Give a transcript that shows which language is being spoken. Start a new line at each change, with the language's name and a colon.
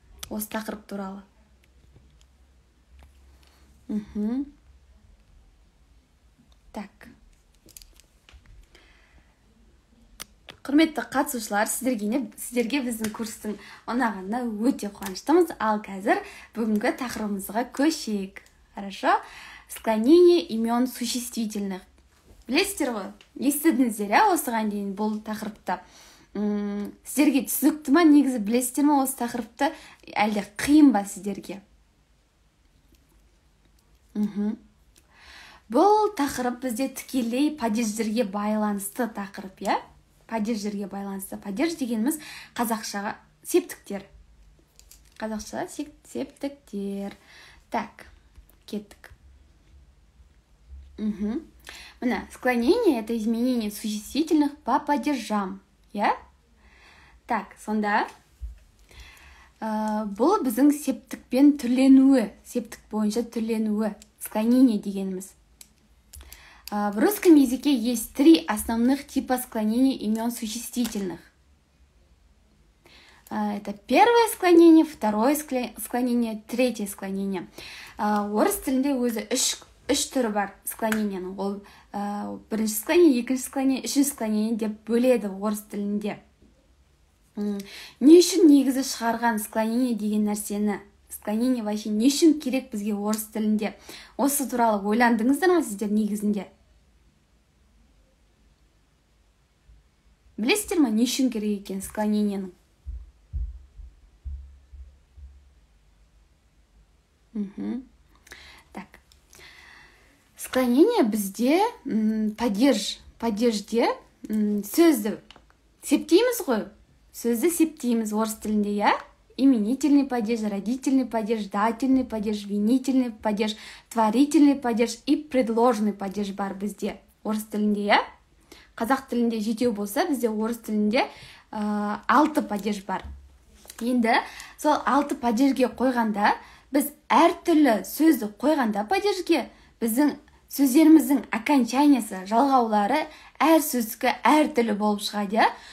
Kazakh: Осы тақырып туралы.
Russian: Так.
Kazakh: Құрметті қатысушылар, сіздерге біздің курстың ұнағанына өте қуаныштымыз. Ал қазір бүгінгі тақырыбымызға көшейік.
Russian: Хорошо? Склонение имен существительных.
Kazakh: Білесіздер ғой? Естідіңіздер, осыған дейін бұл тақырыпты. Сіздерге түсінікті ма, негізі білесіздер ма осы тақырыпты? Әлде қиын ба сіздерге? Бұл тақырып бізде тікелей падеждерге байланысты тақырып, иә? Падеждерге байланысты. Падеж дегеніміз қазақшаға септіктер. Қазақшаға септіктер. Так, кеттік.
Russian: Міне, склонение – это изменение существительных по падежам, иә?
Kazakh: Так, сонда бұл біздің септікпен түрленуі, септік бойынша түрленуі, склонение дегеніміз.
Russian: В русском языке есть три основных типа склонения имен существительных. Это первое склонение, второе склонение, третье склонение.
Kazakh: Орыс тілінде өзі үш түрі бар склонениені. Ол бірінші склонение, екінші склонение, үшінші склонение деп бөледі орыс тілінде. Не үшін негізі шығарған склонение деген нәрсені, склонение вообще не үшін керек бізге орыс тілінде, осы туралы ойландыңыздар ма сіздер негізінде? Білесіздер ма не үшін керек екен склонениенің? Так, склонение бізде падежде сөзді септейміз ғой. Сөзді септейміз орыс тілінде, иә?
Russian: Именительный падеж, родительный падеж, дательный падеж, винительный падеж, творительный падеж и предложный падеж
Kazakh: бар бізде орыс тілінде, иә? Қазақ тілінде жетеу болса, бізде орыс тілінде 6 падеж бар. Енді сол 6 падежге қойғанда, біз әртүрлі сөзді қойғанда падежге, біздің сөздеріміздің окончаниесі, жалғаулары әр сөздікі әртүрлі болып шығады, иә?